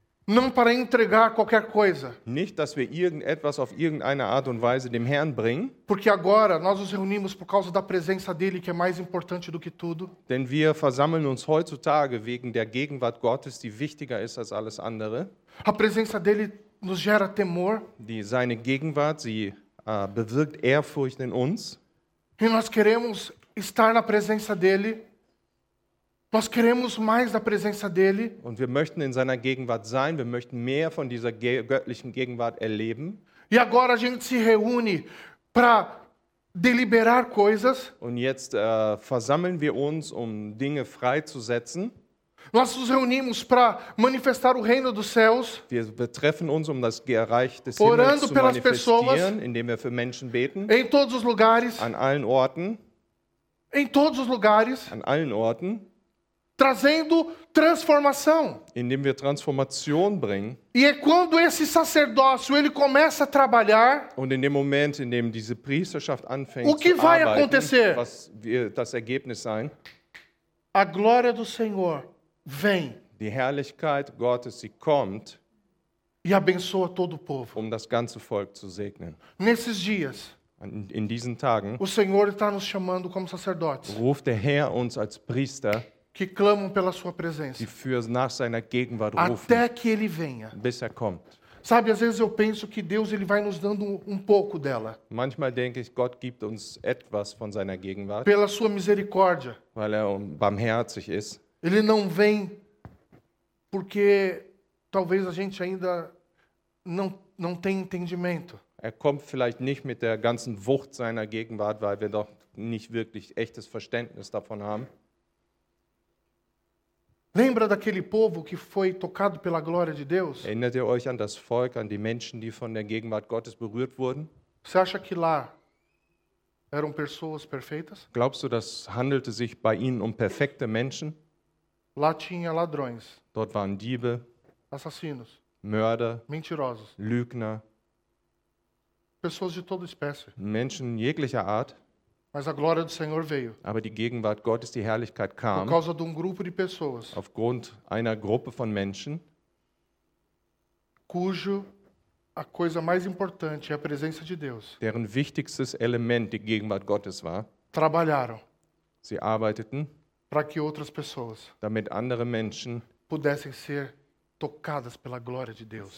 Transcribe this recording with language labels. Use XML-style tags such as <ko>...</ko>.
<pt>Não para entregar qualquer coisa.</pt> <de>Nicht, dass wir irgendetwas auf irgendeine Art und Weise dem Herrn bringen.</de> <pt>Porque agora nós nos reunimos por causa da presença dele, que é mais importante do que tudo.</pt> <de>Denn wir versammeln uns heutzutage wegen der Gegenwart Gottes, die wichtiger ist als alles andere.</de> <pt>A presença dele nos gera temor.</pt> <de>Die seine Gegenwart, sie bewirkt Ehrfurcht in uns.</de> <pt>E nós queremos estar na presença dele. Nós queremos mais da presença dele.</pt> <de>Und wir möchten in seiner Gegenwart sein, wir möchten mehr von dieser göttlichen Gegenwart erleben.</de> <pt>E agora a gente se reúne para deliberar coisas.</pt> <de>Und jetzt versammeln wir uns, um Dinge freizusetzen.</de> <pt>Nós nos reunimos para manifestar o reino dos céus.</pt> <de>Wir treffen uns, um das Reich des Himmels zu manifestieren.</de> <pt>Orando pelas pessoas,</pt> <de>indem wir für Menschen beten.</de> <pt>Em todos os lugares.</pt> <de>An allen Orten.</de> <pt>Em todos os lugares.</pt> <de>An allen Orten.</de> <pt>Trazendo transformação.</pt> <de>Indem wir Transformation bringen.</de> <pt>E é quando esse sacerdócio ele começa a trabalhar.</pt> <de>Und in dem Moment, in dem diese Priesterschaft anfängt zu arbeiten.</de> <pt>O que vai acontecer?</pt> <de>Was wird das Ergebnis sein?</de> <pt>A glória do Senhor vem.</pt> <de>Die Herrlichkeit Gottes, sie kommt.</de> <pt>E abençoa todo o povo.</pt> <de>Um das ganze Volk zu segnen.</de> <pt>Nesses dias.</pt> <de>In diesen Tagen.</de> <pt>O Senhor está nos chamando como sacerdotes.</pt> <de>Ruft der Herr uns als Priester.</de> <pt>Que clamam pela sua presença.</pt> <de>Die für nach seiner Gegenwart</de> <pt>até</pt> <de>rufen.</de> <pt>Até que ele venha.</pt> <de>Bis er kommt.</de> <pt>Sabe, às vezes eu penso que Deus ele vai nos dando um pouco dela.</pt> <de>Manchmal denke ich, Gott gibt uns etwas von seiner Gegenwart.</de> <pt>Pela sua misericórdia.</pt> <de>Weil er barmherzig ist.</de> <pt>Ele não vem porque talvez a gente ainda não tenha entendimento.</pt> <de>Er kommt vielleicht nicht mit der ganzen Wucht seiner Gegenwart, weil wir doch nicht wirklich echtes Verständnis davon haben.</de> <pt>Lembra daquele povo que foi tocado pela glória de Deus?</pt> <de>Erinnert ihr euch an das Volk, an die Menschen, die von der Gegenwart Gottes berührt wurden?</de> <pt>Você acha que lá eram pessoas perfeitas?</pt> <de>Glaubst du, das handelte sich bei ihnen um perfekte Menschen?</de> <pt>Lá tinha ladrões.</pt> <de>Dort waren Diebe.</de> <pt>Assassinos.</pt> <de>Mörder.</de> <pt>Mentirosos.</pt> <de>Lügner.</de> <pt>Pessoas de toda espécie.</pt> <de>Menschen jeglicher Art.</de> <pt>Mas a glória do Senhor veio.</pt> <de>Aber die Gegenwart Gottes, die Herrlichkeit kam.</de> <pt>Por causa de um grupo de pessoas.</pt> <de>Aufgrund einer Gruppe von Menschen.</de> <pt>Cujo a coisa mais importante é a presença de Deus.</pt> <de>Deren wichtigstes Element die Gegenwart Gottes war.</de> <pt>Trabalharam.</pt> <de>Sie arbeiteten.</de> <pt>Para que outras pessoas.</pt> <de>Damit andere Menschen.</de> <pt>Pudessem ser tocadas pela glória de Deus.</pt>